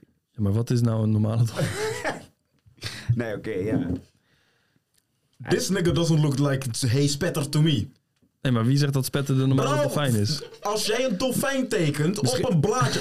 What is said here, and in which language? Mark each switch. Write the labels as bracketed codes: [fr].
[nl] Ja, maar wat is nou een normale dolphin? Nee, ja. [en] This nigga doesn't look like hey spetter to me. [nl] Nee, maar wie zegt dat spetter de normale dolfijn is? Als jij een dolfijn tekent op een blaadje...